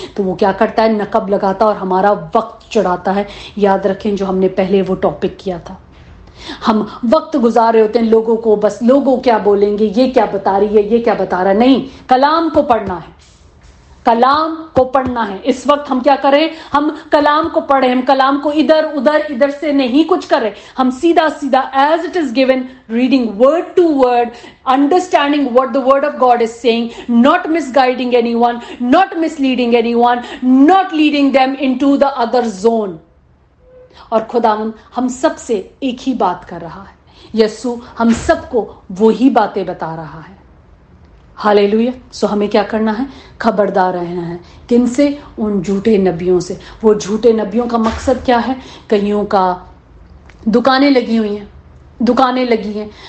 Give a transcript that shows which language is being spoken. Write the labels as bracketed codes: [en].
[ur] تو وہ کیا کرتا ہے, نقب لگاتا اور ہمارا وقت چڑھاتا ہے. یاد رکھیں جو ہم نے پہلے وہ ٹاپک کیا تھا, ہم وقت گزار رہے ہوتے ہیں لوگوں کو, بس لوگوں کیا بولیں گے, یہ کیا بتا رہی ہے, یہ کیا بتا رہا ہے. نہیں, کلام کو پڑھنا ہے, کلام کو پڑھنا ہے. اس وقت ہم کیا کریں, ہم کلام کو پڑھیں, ہم کلام کو ادھر ادھر ادھر سے نہیں کچھ کریں, ہم سیدھا سیدھا [en] as it is given, reading word to word, understanding what the word of God is saying, not misguiding anyone, not misleading anyone, not leading them into the other zone. [ur] اور خداوند ہم سب سے ایک ہی بات کر رہا ہے, یسوع ہم سب کو وہی باتیں بتا رہا ہے. ہالیلویا. سو ہمیں کیا کرنا ہے, خبردار رہنا ہے. کن سے؟ ان جھوٹے نبیوں سے. وہ جھوٹے نبیوں کا مقصد کیا ہے, کئیوں کا دکانیں لگی ہوئی ہیں, دکانیں لگی ہیں.